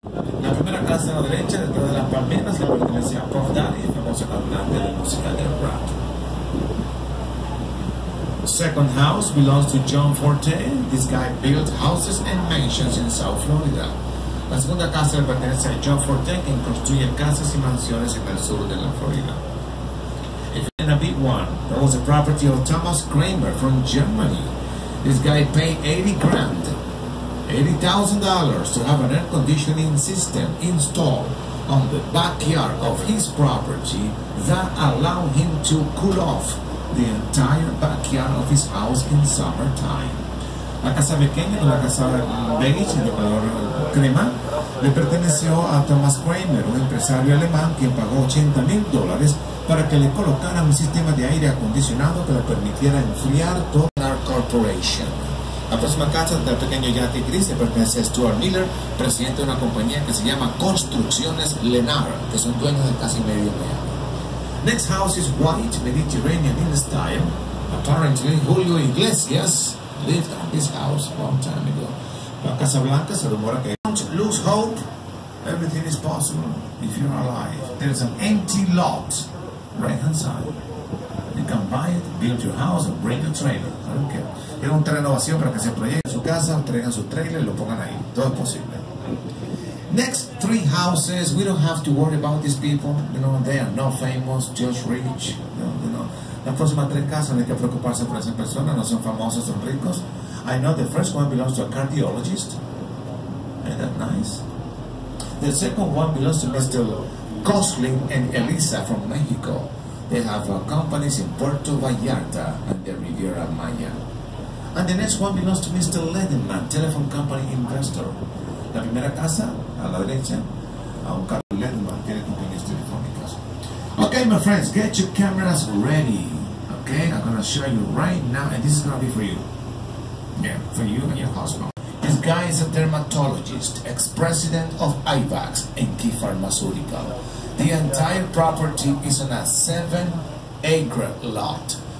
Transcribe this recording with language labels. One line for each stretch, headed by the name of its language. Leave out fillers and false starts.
Spanish: hacia la derecha detrás de las palmeras de la iglesia Puff Daddy, famoso cantante de música de rap.
English: Second house belongs to John Forte. This guy built houses and mansions in South Florida.
Spanish: La segunda casa le pertenece a John Forte, quien construye casas y mansiones en el sur de la Florida.
English: And a big one, that was the property of Thomas Kramer from Germany. This guy paid $80,000 to have an air conditioning system installed on the backyard of his property that allowed him to cool off the entire backyard of his house in summertime.
Spanish: La casa pequeña, la casa beige, de color crema, le perteneció a Thomas Kramer, un empresario alemán quien pagó $80,000 para que le colocara un sistema de aire acondicionado que le permitiera enfriar toda la corporation. La próxima casa del pequeño yate gris pertenece a Stuart Miller, presidente de una compañía que se llama Construcciones Lennar, que son dueños de casi medio millón.
English: Next house is white, Mediterranean in style. Apparently, Julio Iglesias lived at this house a long time ago.
Spanish: La Casa Blanca se rumora que
English: don't lose hope, everything is possible if you're alive. There's an empty lot right hand side. You can buy it, build your house, and bring a trailer. I don't care.
Spanish: Tiene un terreno vacío para que se proyecte su casa, traigan su trailer y lo pongan ahí. Todo es posible.
English: Next three houses, we don't have to worry about these people. You know, they are not famous, just rich.
Spanish: Las próximas tres casas no hay que preocuparse por esas personas, no son famosos, son ricos.
English: I know the first one belongs to a cardiologist. Isn't that nice? The second one belongs to Mr. Gosling and Elisa from Mexico. They have companies in Puerto Vallarta and the Riviera Maya. And the next one belongs to Mr. Lederman, telephone company investor.
Spanish: La primera casa, a la derecha, a un Carlos Lederman, tiene compañías telefónicas.
English: Okay, my friends, get your cameras ready. Okay, I'm going to show you right now, and this is going to be for you. Yeah, for you and your husband. This guy is a dermatologist, ex-president of IVAX and Key Pharmaceutical. The entire property is on a 7-acre lot.